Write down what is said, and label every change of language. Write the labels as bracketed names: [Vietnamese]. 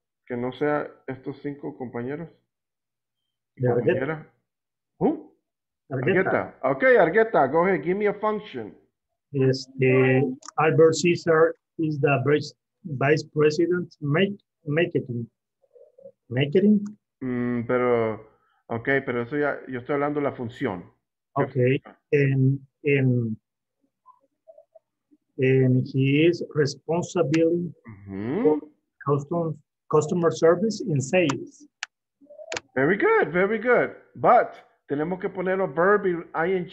[Spanish] Que no sea estos cinco compañeros. Compañera. [English] Who? Argueta. Okay, Argueta, go ahead. Give me a function. Yes, Albert Cesar is the Vice President Marketing. Marketing? [Spanish] Pero, okay, pero eso ya, yo estoy hablando de la función. [English] Okay, and he is responsible for customer service and sales. Very good, very good. But, [Spanish] tenemos que poner [English] a verb in ing.